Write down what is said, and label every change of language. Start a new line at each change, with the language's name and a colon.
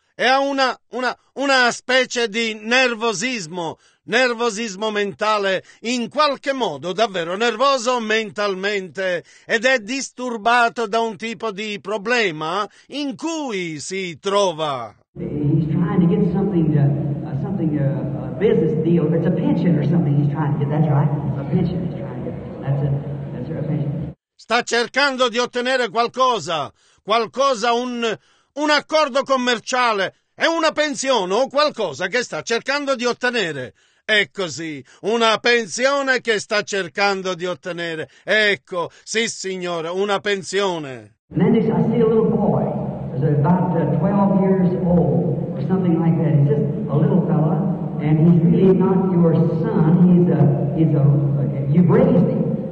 Italian: E ha una specie di nervosismo mentale, in qualche modo davvero nervoso mentalmente, ed è disturbato da un tipo di problema in cui si trova.
English: He's trying to get something a business deal. It's a pension or something he's trying to get. That's right. A pension he's trying to get. That's a pension.
Italian: Sta cercando di ottenere qualcosa, un accordo commerciale, è una pensione o qualcosa che sta cercando di ottenere. È così, una pensione che sta cercando di ottenere. Ecco, sì signore, una pensione.
English: And then I see a little boy, about 12 years old, or something like that. He's just a little fella, and he's really not your son, he's a, you've raised him.